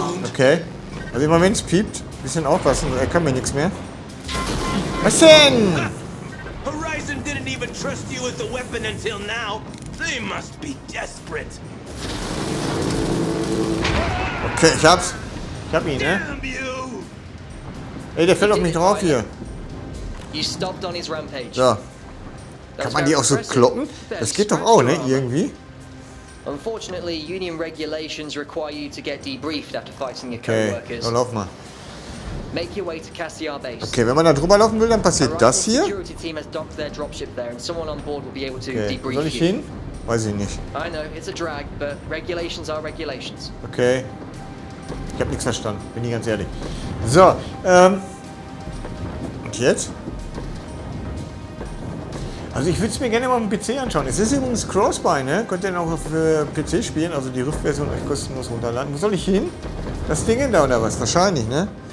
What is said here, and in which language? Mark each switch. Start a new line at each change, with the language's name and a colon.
German: Okay. Also immer wenn es piept, bisschen aufpassen, er kann mir nichts mehr. Was denn?
English: Bison didn't even trust you with the weapon until now. They must be desperate.
German: Okay, ich hab's. Ich hab ihn, ne? Ey, der fällt auf mich drauf hier.
English: You stopped on his rampage.
German: Ja. Kann man die auch so kloppen? Das geht doch auch, ne? Irgendwie.
English: Unfortunately, union regulations require you to get debriefed after fighting your coworkers. Okay,
German: lauf mal.
English: Make your way to Cassiar Base.
German: Okay, wenn man da drüber laufen will, dann passiert das hier.
English: Security team has docked their dropship there, and someone on board will be able to okay. debrief you.
German: Soll ich hin? Weiß ich nicht.
English: I know, it's a drag, but regulations are regulations. Okay.
German: Ich hab nichts verstanden, bin ich ganz ehrlich. So, und jetzt? Also ich würde es mir gerne mal auf dem PC anschauen. Es ist übrigens Crossbuy, ne? Könnt ihr dann auch auf PC spielen, also die Rift-Version euch kostenlos runterladen. Wo soll ich hin? Das Ding da oder was? Wahrscheinlich, ne?